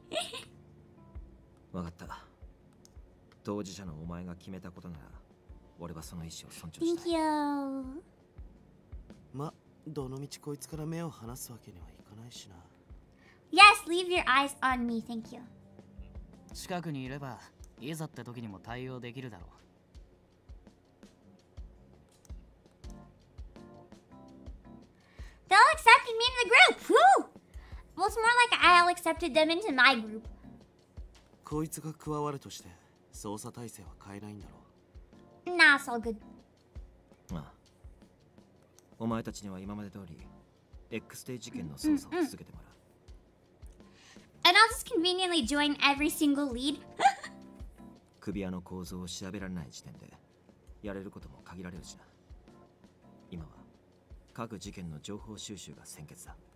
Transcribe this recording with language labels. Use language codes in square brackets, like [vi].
[en] Thank you. Yes, leave your eyes on me, thank you. [ja] 近くにいれば、いざって時にも対応できるだろう。 [en] They'll accept me into the group! Woo! Well, it's more like I'll accept them into my group. [ja] こいつが加わるとして、捜査体制は変えないんだろう。 [en] Nah, it's all good. [ja] まあ、お前たちには今まで通り、X デー事件の捜査を続けてもらう。 [en] And I'll just conveniently join every single lead. [ja] 首輪の構造を調べられない時点で、やれることも限られるしな。今は各事件の情報収集が先決だ。